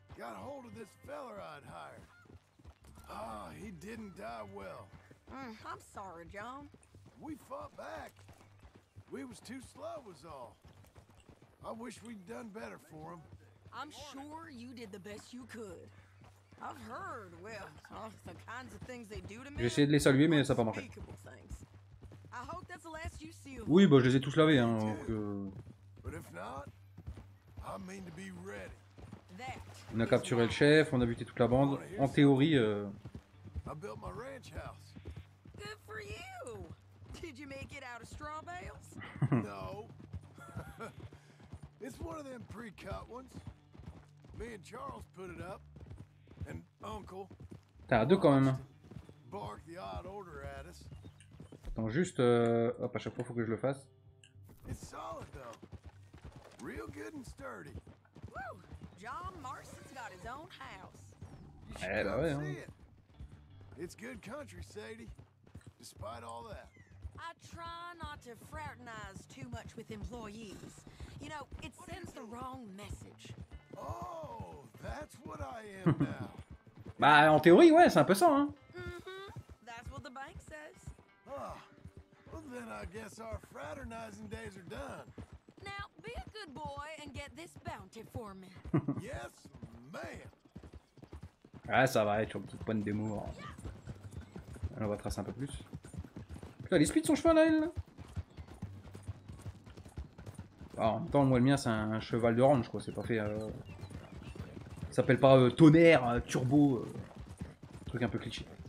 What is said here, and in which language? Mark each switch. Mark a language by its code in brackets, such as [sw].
[en] Got hold of this feller I'd hired. Ah, oh, he didn't die well. I'm sorry, John. We fought back. We was too slow, was all. I wish we'd done better for him. I'm sure you did the best you could. I've heard, well, the kinds of things they do to me. [fr] J'ai essayé de les saluer, mais ça n'a pas marché. [en] I hope that's the last you see. [fr] Oui, bah je les ai tous lavés, hein. [en] But if not, I mean to be ready. [fr] On a capturé le chef, on a buté toute la bande. En théorie, [en] Good for you. Did you make it out of straw bales? No. It's one of them pre-cut ones. Me and Charles put it up. And Uncle. [fr] T'as deux quand même. [en] Bark the odd order at us. [fr] Attends juste, hop, à chaque fois faut que je le fasse. [en] It's solid though. Real good and sturdy. Woo! John Marston's got his own house. You should come see it. It's good country, Sadie. Despite all that. I try not to fraternize too much with employees. You know, it sends the wrong message. Oh, that's what I am now. [fr] Bah, en théorie, ouais, c'est un peu ça, hein. [en] That's what the bank says. Ah, well then I guess our fraternizing days are done. Now, be a good boy and get this bounty for me. Yes, ma'am. [fr] Ah, ça va être une petite pointe d'humour. Hein. Yes. On va tracer un peu plus. Putain, il speed son cheval, là, elle. Alors, en même temps, moi, le mien, c'est un cheval de ranch, quoi. C'est pas fait... Ça s'appelle pas tonnerre, turbo... truc un peu cliché.